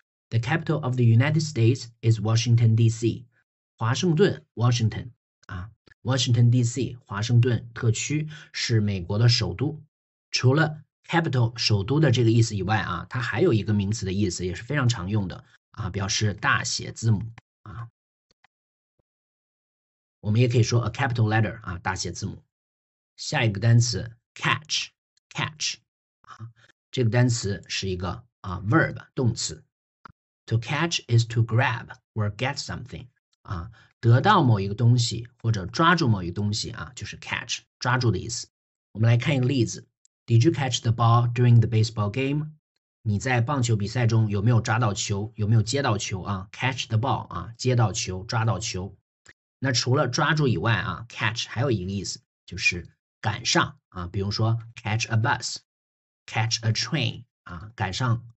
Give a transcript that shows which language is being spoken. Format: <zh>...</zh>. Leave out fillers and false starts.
<en>The capital of the United States is Washington, D.C.</en> <zh>华盛顿 ,Washington, 啊 ,Washington, D.C. 华盛顿特区是美国的首都。除了 capital 首都的这个意思以外啊，它还有一个名词的意思也是非常常用的啊，表示大写字母啊。我们也可以说</zh> <en>a capital letter,</en> <zh>啊，大写字母。下一个单词 catch, 啊，这个单词是一个啊 verb, 动词。</zh> <en>To catch is to grab or get something.</en> <zh>啊，得到某一个东西或者抓住某一个东西啊，就是 catch， 抓住的意思。我们来看一个例子。</zh> <en>Did you catch the ball during the baseball game?</en> <zh>你在棒球比赛中有没有抓到球？有没有接到球啊 ？</zh> <en>Catch the ball</en> <zh>啊，接到球，抓到球。那除了抓住以外啊 ，catch 还有一个意思就是赶上啊，比如说</zh> <en>catch a bus， catch a train</en> <zh>啊，赶上。</zh>